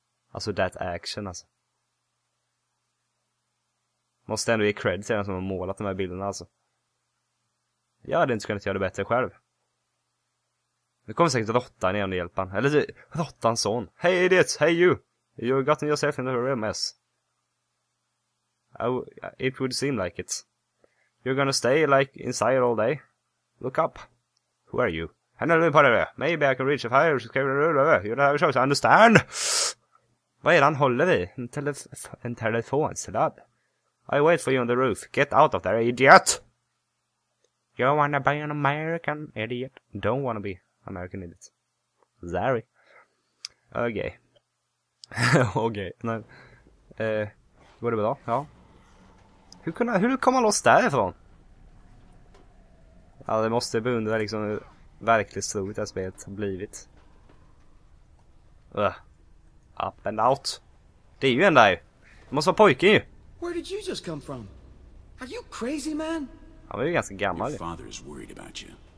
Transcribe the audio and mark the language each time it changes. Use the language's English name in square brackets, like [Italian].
[Swedish] Alltså, [English] that action, [Swedish] alltså. Måste ändå ge cred till den som har målat de här bilderna, alltså. Jag hade inte kunnat göra det bättre själv. Nu kommer säkert råttan igen och hjälpa han. Eller råttans son. [English] Hey idiot, hey you. You got yourself in a real mess. Oh, it would seem like it. You're gonna stay, like, inside all day. Look up. Who are you? Handle me part of it. Maybe I can reach a fire. You don't have a choice, I understand. [Swedish] Vad är det han håller i? En telefon, sådär. [English] I wait for you on the roof. Get out of there, idiot! You wanna be an American idiot? Don't wanna be American idiot. Sorry. [Swedish] Okej. Okej. Går det bra? Ja. Hur kom han loss därifrån? Ja, det måste jag beundra liksom hur verkligt troligt det här spelet har blivit. [English] Up and out. [Swedish] Det är ju en där. Det måste vara pojken ju. [English] Where did you just come from? Are you crazy, man? [Swedish] Han var ju ganska gammal. [English] Your father is worried about you.